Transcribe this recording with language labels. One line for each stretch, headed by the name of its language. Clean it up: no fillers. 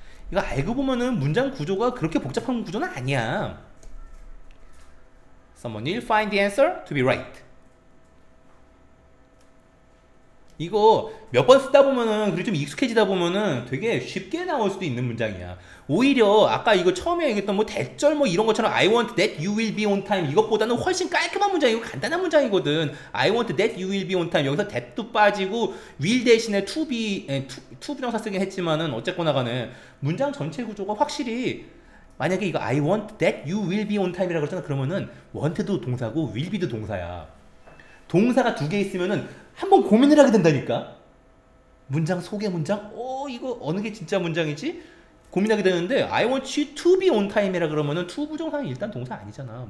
Korean: 이거 알고 보면은 문장 구조가 그렇게 복잡한 구조는 아니야.
English: Someone will find the answer to be right.
Korean: 이거 몇 번 쓰다 보면은 그리고 좀 익숙해지다 보면은 되게 쉽게 나올 수도 있는 문장이야. 오히려 아까 이거 처음에 얘기했던 뭐 대절 뭐 이런 것처럼
English: I want that you will be on time
Korean: 이것보다는 훨씬 깔끔한 문장이고 간단한 문장이거든.
English: I want that you will be on time
Korean: 여기서 that도 빠지고 will 대신에 to be, 투 비동사 쓰긴 했지만은 어쨌거나 간에 문장 전체 구조가 확실히 만약에 이거 I want that you will be on time이라고 했잖아. 그러면은 want도 동사고 will be도 동사야. 동사가 두 개 있으면은 한번 고민을 하게 된다니까. 문장 속의 문장? 어 이거 어느 게 진짜 문장이지? 고민하게 되는데
English: I want you to be on time
Korean: 이라 그러면은 to 부정사는 일단 동사 아니잖아.